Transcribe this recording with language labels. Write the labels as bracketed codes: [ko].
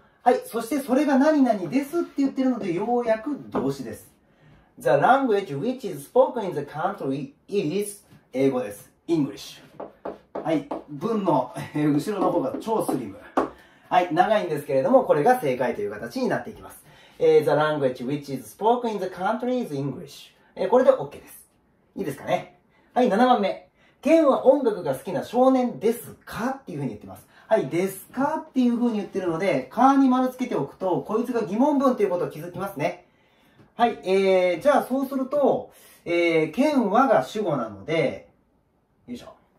[ja] はい、そしてそれが何々ですって言ってるので、ようやく動詞です。 [en] The language which is spoken in the country is [ja] 英語です。 [en] English。 [ja] はい、文の後ろの方が超スリム。はい、長いんですけれども、これが正解という形になっていきます。 [en] The language which is spoken in the country is English。 [ja] これで OK です。いいですかね。はい、7番目、ケンは音楽が好きな少年ですかっていうふうに言ってます。はい、ですかっていう風に言ってるので、かに丸つけておくと、こいつが疑問文っていうことを気づきますね。はい、じゃあそうすると、ケンはが主語なので、よいしょ。